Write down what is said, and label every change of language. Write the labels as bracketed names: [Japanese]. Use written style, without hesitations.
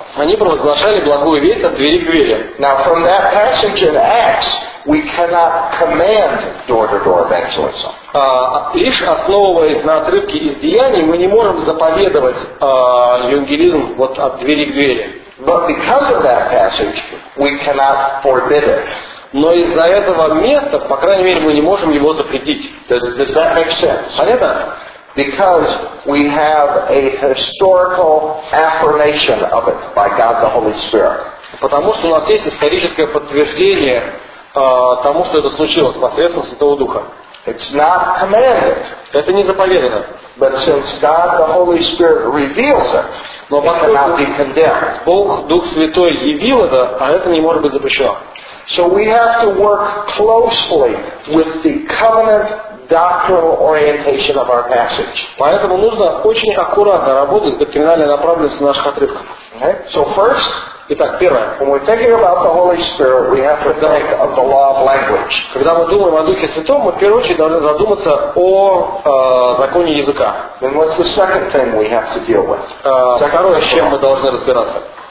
[Russian] Они провозглашали благую весть от двери к двери. [English] Now from that passage in Acts, we cannot command door-to-door evangelism. [Russian] Лишь основываясь на отрывке из Деяний, мы не можем заповедовать евангелизм вот от двери к двери. [English] But because of that passage, we cannot forbid it. [Russian] Но из-за этого места, по крайней мере, мы не можем его запретить. [English] Does that make sense? [Russian] Понятно? [English] Because we have a historical affirmation of it by God the Holy Spirit. [Russian] Потому что у нас есть историческое подтверждение тому, что это случилось посредством Святого Духа. [English] It's not commanded. [Russian] Это не заповедано. [English] But since God the Holy Spirit reveals it, [Russian] но [English] it cannot be condemned. [Russian] Бог Дух Святой явил это, а это не может быть запрещено. [English] So we have to work closely with the covenant doctrinal orientation of our passage. [Russian] Поэтому нужно очень аккуратно работать с доктринальной направленностью наших отрывков. [English] Okay. So first, [Russian] итак, первое. [English] When we're thinking about the Holy Spirit, we have to think of the law of language. [Russian] Когда мы думаем о Духе Святом, мы в первую очередь должны задуматься о законе языка. [English] Then what's the second thing we have to deal with? [Russian] Второе, с чем мы должны разбираться?